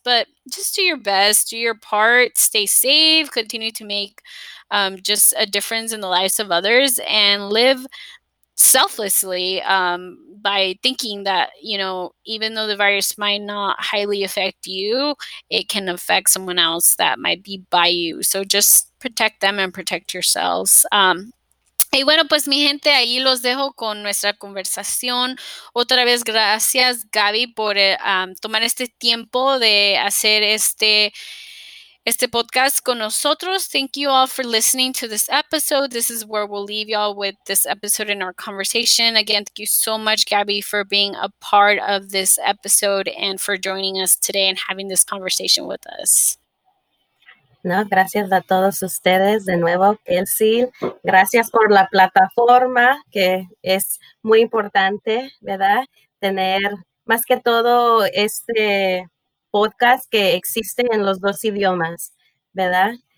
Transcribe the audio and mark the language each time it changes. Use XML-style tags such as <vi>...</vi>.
<en>But just do your best, do your part, stay safe, continue to make just a difference in the lives of others and live selflessly by thinking that, you know, even though the virus might not highly affect you, it can affect someone else that might be by you. So just protect them and protect yourselves.</en> <es>Y bueno, pues mi gente, ahí los dejo con nuestra conversación. Otra vez, gracias Gaby por tomar este tiempo de hacer este podcast con nosotros.</es> <en>Thank you all for listening to this episode. This is where we'll leave y'all with this episode in our conversation. Again, thank you so much, Gaby, for being a part of this episode and for joining us today and having this conversation with us.</en> <es>No, gracias a todos ustedes de nuevo, Kelsey. Gracias por la plataforma, que es muy importante, ¿verdad? Tener más que todo este podcast que existe en los dos idiomas, ¿verdad?</es>